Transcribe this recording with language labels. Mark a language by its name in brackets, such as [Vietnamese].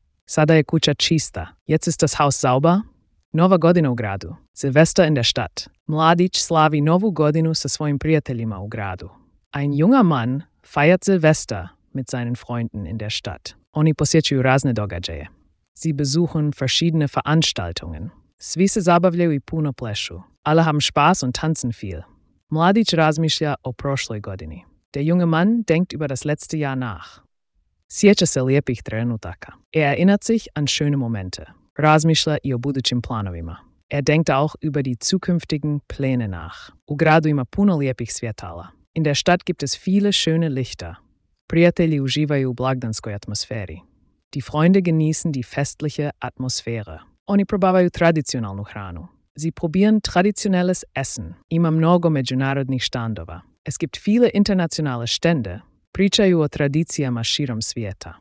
[Croatian] Sada je kuća čista. [German] Jetzt ist das Haus sauber. [Croatian] Nova godina u gradu. [German] Silvester in der Stadt. [Croatian] Mladić slavi novu godinu sa svojim prijateljima u gradu. [German] Ein junger Mann feiert Silvester mit seinen Freunden in der Stadt. [Croatian] Oni posjećuju razne događaje. [German] Sie besuchen verschiedene Veranstaltungen. [Croatian] Svi se zabavljaju i puno plešu. [German] Alle haben Spaß und tanzen viel. [Croatian] Mladić razmišlja o prošloj godini. [German] Der junge Mann denkt über das letzte Jahr nach. [Croatian] Sjeća se lijepih trenutaka. [German] Erinnert sich an schöne Momente. [Croatian] Razmišlja i o budućim planovima. [German] Denkt auch über die zukünftigen Pläne nach. [Croatian] U gradu ima puno lijepih svjetala. [German] In der Stadt gibt es viele schöne Lichter. [Croatian] Prijatelji uživaju u blagdanskoj atmosferi. [German] Die Freunde genießen die festliche Atmosphäre. [Croatian] Oni probavaju tradicionalnu hranu. [German] Sie probieren traditionelles Essen. [Croatian] Ima mnogo međunarodnih štandova. [German] Es gibt viele internationale Stände. [Croatian] Pričaju o tradicijama širom svijeta.